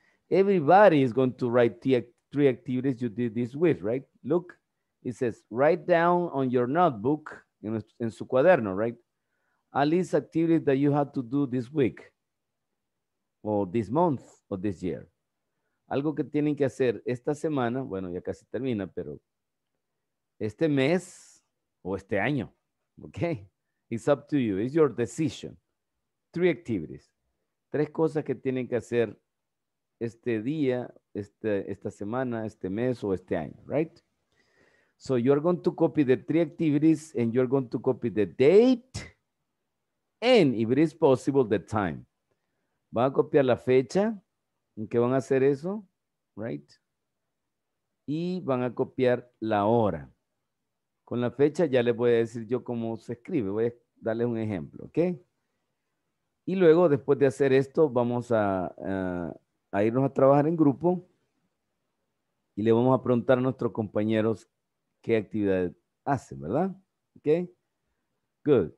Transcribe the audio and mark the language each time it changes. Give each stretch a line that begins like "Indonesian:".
English: Everybody is going to write the three activities you did this with, right? Look, it says, write down on your notebook,
Spanish: en su cuaderno,
English: right? At least activities that you had to do this week, or this month, or this year.
Spanish: Algo que tienen que hacer esta semana, bueno, ya casi termina, pero este mes o este año, okay?
English: It's up to you. It's your decision. Three activities.
Spanish: Tres cosas que tienen que hacer este día, esta semana, este mes o este año, right?
English: So you're going to copy the three activities and you're going to copy the date and, if it is possible, the time.
Spanish: Van a copiar la fecha en que van a hacer eso, right? Y van a copiar la hora. Con la fecha ya les voy a decir yo cómo se escribe. Voy a darles un ejemplo, ¿ok? Y luego, después de hacer esto, vamos a irnos a trabajar en grupo y le vamos a preguntar a nuestros compañeros qué actividad hacen, ¿verdad? ¿Ok? Good.